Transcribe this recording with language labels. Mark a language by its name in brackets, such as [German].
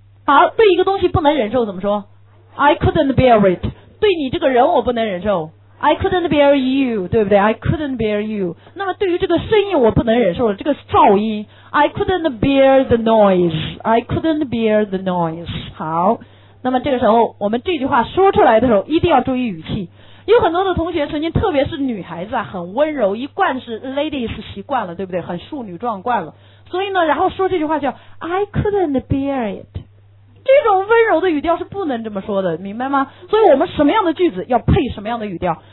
[Chinese] 好，对一个东西不能忍受怎么说？ [English] I couldn't bear it, [Chinese] 对你这个人我不能忍受。 [English] I couldn't bear you, [Chinese] 对不对 [English] ?I couldn't bear you. [Chinese] 那么对于这个声音我不能忍受了，这个噪音。 [English] I couldn't bear the noise, I couldn't bear the noise. [Chinese] 好，那么这个时候我们这句话说出来的时候一定要注意语气。有很多的同学曾经特别是女孩子啊很温柔，一贯是 ladies 习惯了，对不对，很淑女状惯了。所以呢然后说这句话叫 [English] I couldn't bear it. [Chinese] 这种温柔的语调是不能这么说的，明白吗？所以我们什么样的句子要配什么样的语调。